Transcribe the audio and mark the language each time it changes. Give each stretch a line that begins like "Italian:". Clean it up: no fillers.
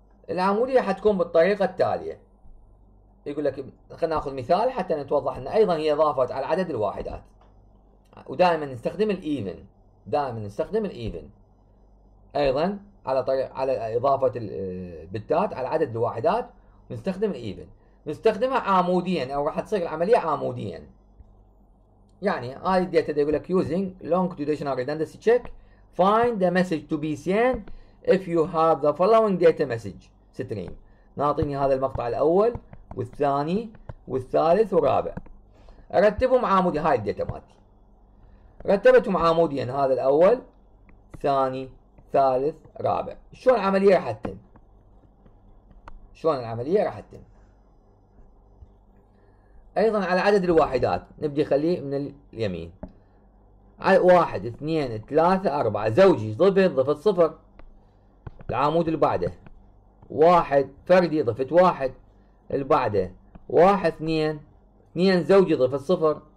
Arabic: العامودية حتكون بالطريقة التالية، يقول لك خلينا ناخذ مثال حتى نتوضح ان ايضا هي اضافت على عدد الواحدات، ودائما نستخدم الايفن، دائما نستخدم الايفن ايضا على طريق على اضافه البتات على عدد الواحدات، ونستخدم الايفن نستخدمها عموديا، او راح تصير العمليه عموديا. يعني هاي الداتا يقول لك
English: using longitudinal redundancy check find the message to be sent if you have the following data message stream.
Arabic: ناطيني هذا المقطع الاول والثاني والثالث والرابع، ارتبهم عامودي. هاي الداتا مالتي رتبتهم عموديا، هذا الاول ثاني ثالث رابع. شلون العمليه راح تتم؟ شلون العمليه راح تتم؟ ايضا على عدد الواحدات نبدي خليه من اليمين، على 1 2 3 4 زوجي ضفت ضفت 0، العمود اللي بعده 1 فردي ضفت 1، البعده 1 2 2 زوجي ضفت 0.